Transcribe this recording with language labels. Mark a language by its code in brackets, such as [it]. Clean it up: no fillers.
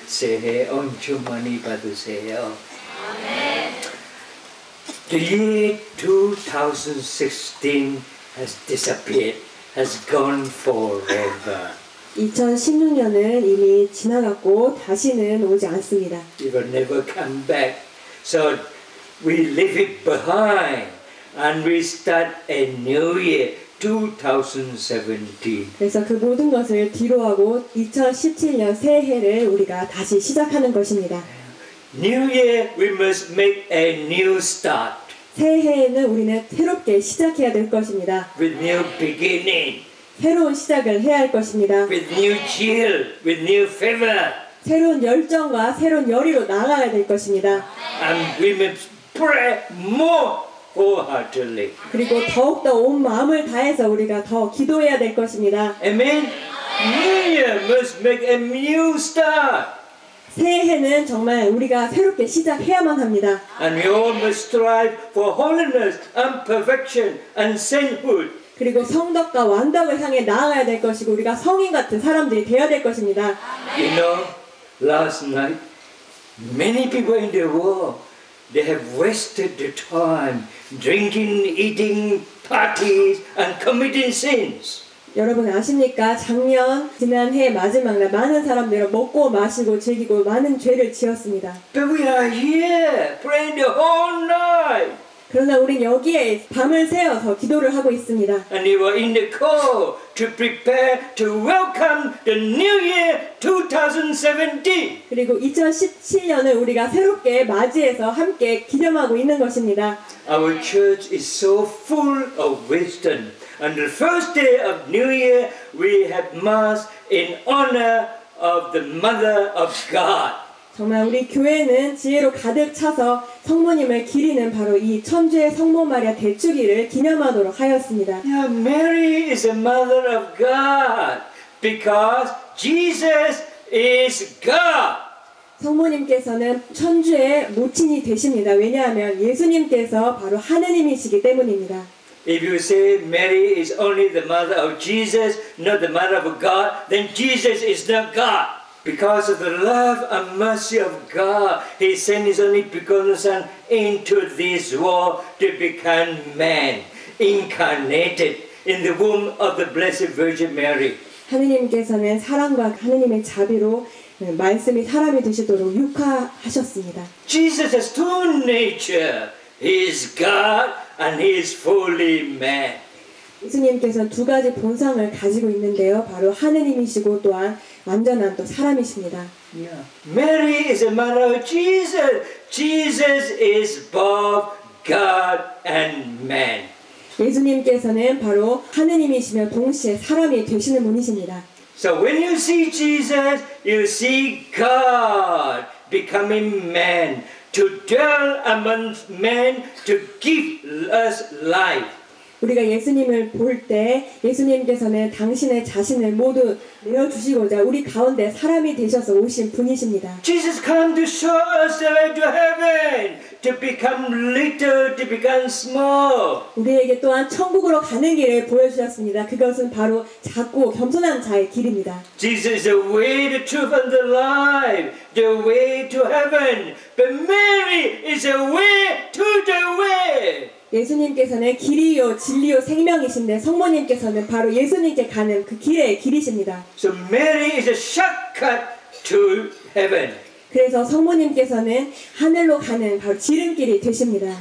[ko] 새해 엄청 많이 받으세요. 아멘. [en] The year 2016 has disappeared, has gone forever. [ko] 2016년은 이미 지나갔고 다시는 오지 않습니다. [en] It will never come back. So we leave it behind. And we start a new year, 2017. [ko] 그래서 그 모든 것을 뒤로 하고 2017년 새해를 우리가 다시 시작하는 것입니다. [en] New year, we must make a new start. [ko] 새해에는 우리는 새롭게 시작해야 될 것입니다. [en] With new beginning. [ko] 새로운 시작을 해야 할 것입니다. [en] With new zeal, with new fervor. [ko] 새로운 열정과 새로운 열의로 나아가야 될 것입니다. [en] And we must pray more. [ko] 그리고 더욱 더 온 마음을 다해서 우리가 더 기도해야 될 것입니다. [en] Amen. New year must make a new start. [ko] 새해는 정말 우리가 새롭게 시작해야만 합니다. [en] And we all must strive for holiness and perfection and sainthood. [ko] 그리고 성덕과 완덕을 향해 나아가야 될 것이고 우리가 성인 같은 사람들이 되어야 될 것입니다. [en] You know, last night many people in the world. They have wasted the time drinking, eating, parties, and committing sins. [ko] 여러분 아십니까? 작년 지난해 마지막 날 많은 사람들이 먹고 마시고 즐기고 많은 죄를 지었습니다. [en] But we are here praying the whole night. [ko] 그러나 우린 여기에 밤을 새워서 기도를 하고 있습니다. [en] And we were in the call to prepare to welcome the new year 2017. [ko] 그리고 2017년을 우리가 새롭게 맞이해서 함께 기념하고 있는 것입니다. [en] Our church is so full of wisdom. And the first day of new year, we have mass in honor of the mother of God. [ko] 정말 우리 교회는 지혜로 가득 차서 성모님을 기리는 바로 이 천주의 성모 마리아 대축일을 기념하도록 하였습니다. [en] Yeah, Mary is a mother of God because Jesus is God. [ko] 성모님께서는 천주의 모친이 되십니다. 왜냐하면 예수님께서 바로 하느님이시기 때문입니다. [en] If you say Mary is only the mother of Jesus, not the mother of God, then Jesus is not God. Because of the love and mercy of God, He sent His only begotten Son into this world to become man, incarnated in the womb of the Blessed Virgin Mary. [ko] 하느님께서는 사랑과 하느님의 자비로 말씀이 사람이 되시도록 육화하셨습니다. [en] Jesus has two natures. He is God and He is fully man. [ko] 예수님께서 두 가지 본성을 가지고 있는데요. 바로 하느님이시고 또한 완전한 또 사람이십니다. [en] Yeah. Mary is a mother of Jesus. Jesus is both God and man. [ko] 예수님께서는 바로 하느님이시며 동시에 사람이 되시는 분이십니다. [en] So when you see Jesus, you see God becoming man to dwell among men to give us life. [ko] 우리가 예수님을 볼 때 예수님께서는 당신의 자신을 모두 내어주시고자 우리 가운데 사람이 되셔서 오신 분이십니다. [en] Jesus came to show us the way to heaven, to become little, to become small. [ko] 우리에게 또한 천국으로 가는 길을 보여주셨습니다. 그것은 바로 작고 겸손한 자의 길입니다. [en] Jesus is the way, the truth, and the life, the way to heaven. But Mary is the way to the way. [ko] 예수님께서는 길이요 진리요 생명이신데 성모님께서는 바로 예수님께 가는 그 길의 길이십니다. [en] So Mary is a shortcut to heaven. [ko] 그래서 성모님께서는 하늘로 가는 바로 지름길이 되십니다.